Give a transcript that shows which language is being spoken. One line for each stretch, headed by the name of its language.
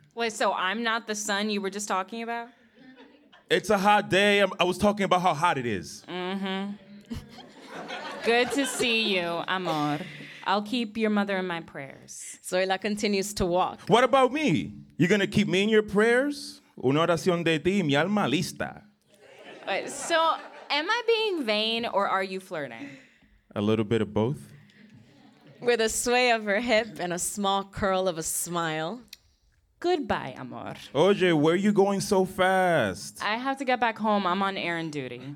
English: Wait, so I'm not the son you were just talking about? It's a hot day. I was talking about how hot it is. Mm-hmm. Good to see you, amor. I'll keep your mother in my prayers. Zoila continues to walk. What about me? You're gonna keep me in your prayers?
Spanish: Una oración de ti, mi alma lista.
English: Wait, so am I being vain or are you flirting? A little bit of both. With a sway of her hip and a small curl of a smile. Goodbye, amor. Oye, where are you going so fast? I have to get back home. I'm on errand duty.